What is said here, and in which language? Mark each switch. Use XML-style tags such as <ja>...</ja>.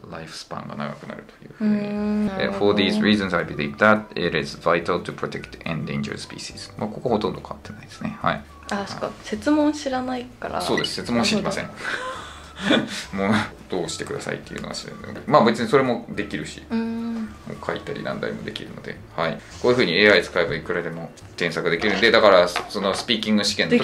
<ja>ライフスパンが長くなるというふうに。</ja> <en>For these reasons, I believe that it is vital to protect endangered species.</en> <ja>まあ、ここほとんど変わってないですね。はい。あ、そうか。設問知らないから。そうです。設問知りません。もう、どうしてくださいっていうのは知らない。まあ、別にそれもできるし。もう書いたりなんだりもできるので。はい。こういうふうに AI 使えばいくらでも添削できるんで、だから、そのスピーキング試験の時も。</ja>